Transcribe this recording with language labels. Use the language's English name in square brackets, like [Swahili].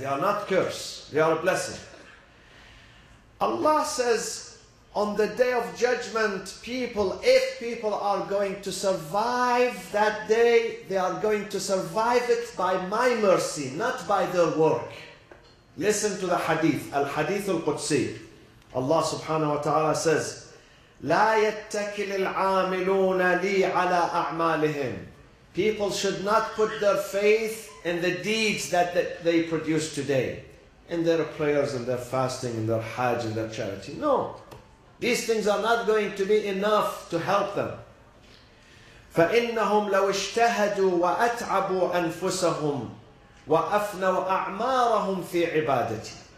[English] They are not curse. They are a blessing. Allah says, on the day of judgment, people, if people are going to survive that day, they are going to survive it by my mercy, not by their work. Listen to the hadith, al-hadith al-Qudsi. Allah subhanahu wa ta'ala says, [Arabic] لا يتكل العاملون لي على أعمالهم. [English] People should not put their faith in the deeds that they produce today, in their prayers and their fasting and their hajj and their charity. No. These things are not going to be enough to help them. [Arabic] فَإِنَّهُمْ لَوْ اشْتَهَدُوا وَأَتْعَبُوا أَنفُسَهُمْ وَأَفْنَوْا أَعْمَارَهُمْ فِي عِبَادَتِي.